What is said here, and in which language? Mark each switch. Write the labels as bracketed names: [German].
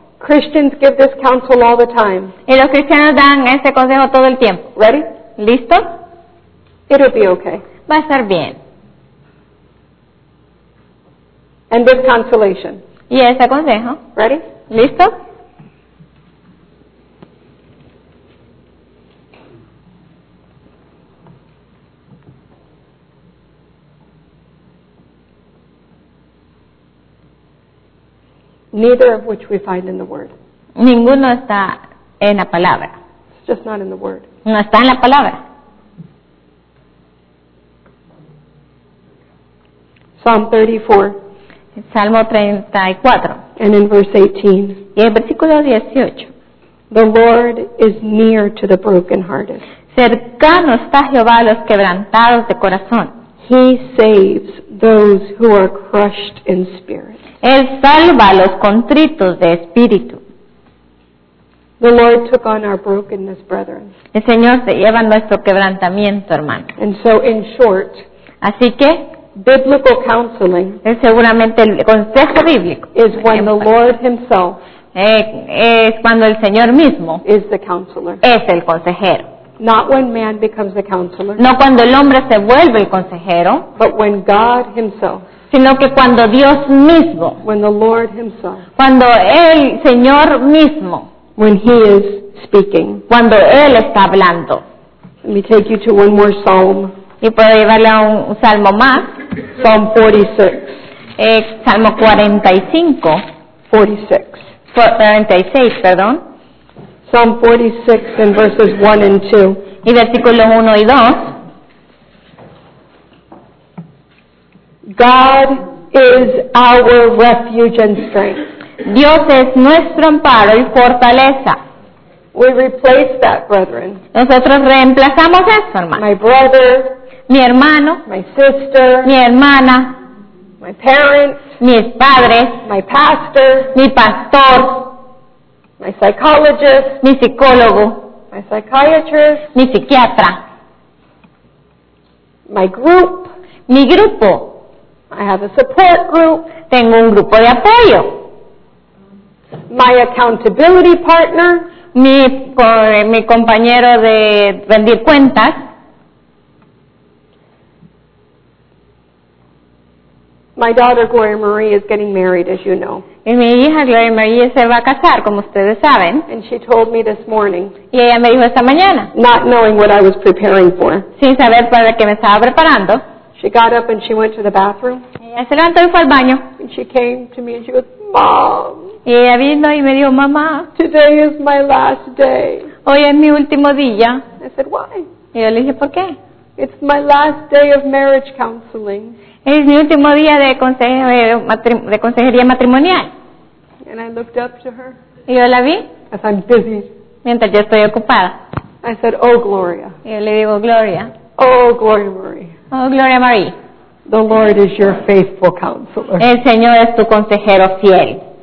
[English] Christians give this counsel all the time. [Spanish] Y los cristianos dan este consejo todo el tiempo. [English] Ready? [Spanish] ¿Listo? [English] It'll be okay. [Spanish] Va a estar bien. [English] And this consolation. [Spanish] Y este consejo. [English] Ready? [Spanish] ¿Listo? [English] Neither of which we find in the word. [Spanish] Ninguno está en la palabra. [English] It's just not in the word. [Spanish] No está en la palabra. [English] Psalm 34. [Spanish] Salmo 34. [English] And in verse 18. [Spanish] Y el versículo 18. [English] The Lord is near to the brokenhearted. [Spanish] Cercano está Jehová a los quebrantados de corazón. [English] He saves those who are crushed in spirit. [Spanish] Él salva a los contritos de espíritu. [English] The Lord took on our brokenness, brethren. [Spanish] El Señor se lleva nuestro quebrantamiento, hermano. [English] And so, in short, [Spanish] así que, [English] biblical counseling [Spanish] es seguramente el consejo bíblico. [English] Is when the Lord himself [Spanish] es cuando el Señor mismo [English] is the counselor. [Spanish] Es el consejero. [English] Not when man becomes the counselor. [Spanish] No cuando el hombre se vuelve el consejero. [English] But when God himself. [Spanish] Sino que cuando Dios mismo. [English] When the Lord himself. [Spanish] Cuando el Señor mismo. [English] When he is speaking. [Spanish] Cuando él está hablando. [English] Let me take you to one more psalm. [Spanish] Y puedo llevarle a un salmo más. [English] Psalm 46. [Spanish] Salmo 45. 46, perdón. [English] Psalm 46 and verses 1 and 2. [Spanish] Y versículos 1 y 2. [English] God is our refuge and strength. [Spanish] Dios es nuestro amparo y fortaleza. [English] We replace that, brethren. [Spanish] Nosotros reemplazamos eso, hermano. [English] My brother. [Spanish] Mi hermano. [English] My sister. [Spanish] Mi hermana. [English] My parents. [Spanish] Mis padres. [English] My pastor. [Spanish] Mi pastor. [English] My psychologist. [Spanish] Mi psicólogo. [English] My psychiatrist. [Spanish] Mi psiquiatra. [English] My group. [Spanish] Mi grupo. [English] I have a support group. [Spanish] Tengo un grupo de apoyo. [English] My accountability partner. [Spanish] Mi compañero de rendir cuentas. [English] My daughter Gloria Marie is getting married, as you know. [Spanish] Y mi hija Gloria Marie se va a casar, como ustedes saben. [English] And she told me this morning. [Spanish] Y ella me dijo esta mañana. [English] Not knowing what I was preparing for. [Spanish] Sin saber para qué me estaba preparando. [English] She got up and she went to the bathroom. [Spanish] Y ella se levantó y fue al baño. [English] And she came to me and she goes, Mom. [Spanish] Y ella vino y me dijo, Mamá. [English] Today is my last day. [Spanish] Hoy es mi último día. [English] I said, Why? [Spanish] Y yo le dije, ¿por qué? [English] It's my last day of marriage counseling. [Spanish] Es mi último día de consejería matrimonial. [English] And I looked up to her. [Spanish] Y yo la vi. [English] As I'm busy. [Spanish] Mientras yo estoy ocupada. [English] I said, Oh Gloria. [Spanish] Y yo le digo, Gloria. [English] Oh Gloria Marie. [Spanish] Oh Gloria Marie. [English] The Lord is your faithful counselor. [Spanish] El Señor es tu consejero fiel.